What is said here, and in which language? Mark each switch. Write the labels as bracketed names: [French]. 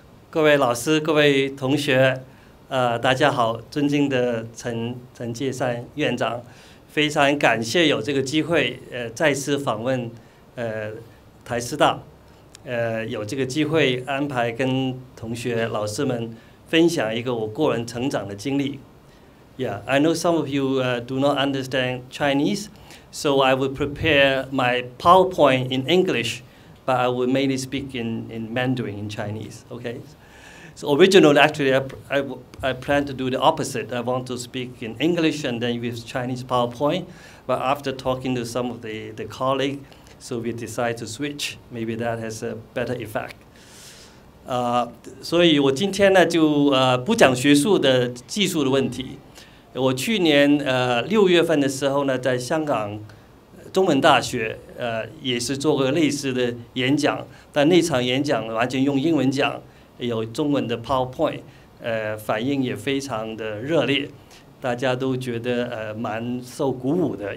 [Chinese] 各位老师，各位同学，大家好，尊敬的陈介山院长，非常感谢有这个机会，再次访问，台师大，有这个机会安排跟同学老师们分享一个我个人成长的经历。 [English] Yeah, I know some of you do not understand Chinese, so I will prepare my PowerPoint in English. But I will mainly speak in Mandarin, in Chinese, okay? So originally, actually, I plan to do the opposite. I want to speak in English and then use Chinese PowerPoint. But after talking to some of the colleagues, so we decide to switch. Maybe that has a better effect. [Chinese] 所以我今天呢就不讲学术的技术的问题。我去年六月份的时候呢在香港中文大学也是做过类似的演讲，但那场演讲完全用英文讲，有中文的 PowerPoint， 反应也非常的热烈，大家都觉得蛮受鼓舞的。